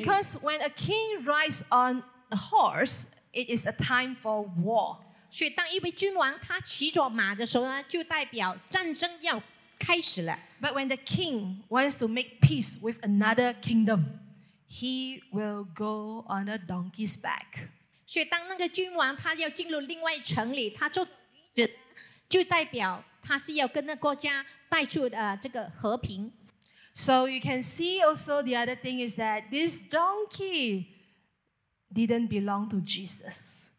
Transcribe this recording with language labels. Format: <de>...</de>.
<en>Because when a king rides on a horse, it is a time for war.</en> <zh>所以当一位君王他骑着马的时候呢，就代表战争要</zh> <en>But when the king wants to make peace with another kingdom, he will go on a donkey's back.</en> <zh>所以当那个君王他要进入另外城里，他做就代表他是要跟那国家带出这个和平。</zh> <en>So you can see also the other thing is that this donkey didn't belong to Jesus.</en>